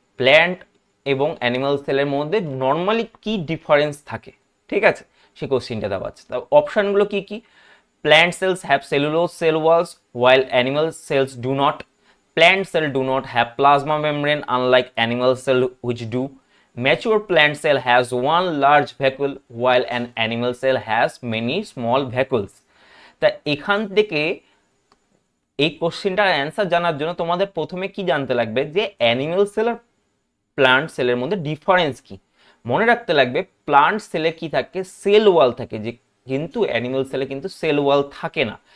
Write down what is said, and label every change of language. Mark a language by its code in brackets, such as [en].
[bn] Plant এবং animal সেলের মধ্যে নর্মালি কী ডিফারেন্স থাকে, ঠিক আছে, সে কোশ্চিনটা দেওয়া আছে। তা অপশানগুলো কী কী, [en] Plant cells have cellulose cell walls while animal cells do not, plant cell do not have plasma membrane unlike animal cell which do, Mature plant cell has one large vacuole while an animal cell has many small vacuoles. [bn] তা এখান থেকে এই কোশ্চেনটার answer জানার জন্য তোমাদের প্রথমে কি জানতে লাগবে যে অ্যানিমেল সেল আর প্লান্ট সেলের মধ্যে ডিফারেন্স কি। মনে রাখতে লাগবে প্লান্ট সেলে কি থাকে, সেল ওয়াল থাকে, যে কিন্তু অ্যানিমেল সেলে কিন্তু সেল ওয়াল থাকে না।